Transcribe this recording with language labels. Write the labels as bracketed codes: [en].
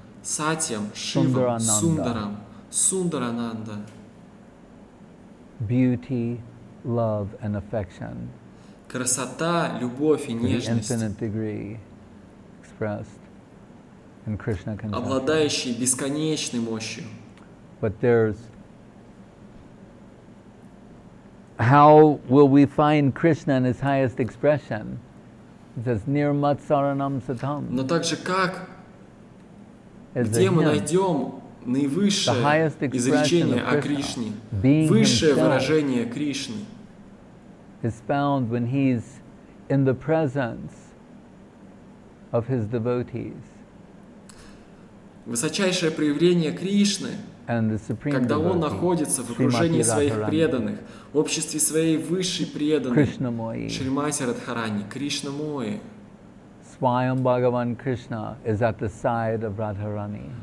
[sa] Сатьям, Шивам, Сундарам, Сундарананда. [en] Beauty, love and affection. [ru] Красота, любовь и нежность. [en] Infinite degree expressed in Krishna consciousness. [ru] Обладающий бесконечной мощью. [en] But there's how will we find Krishna in his highest expression? It says near Matsaranam Satam. [ru] Но также как где мы найдем наивысшее изречение о Кришне, высшее выражение Кришны? [en] Is found when he's in the presence of his devotees. [ru] высочайшее проявление Кришны, когда он находится в окружении своих преданных, в обществе своей высшей преданной, Шримати Радхарани, Кришна Мои. [en] Swayam Bhagavan Krishna is at the side of Radharani.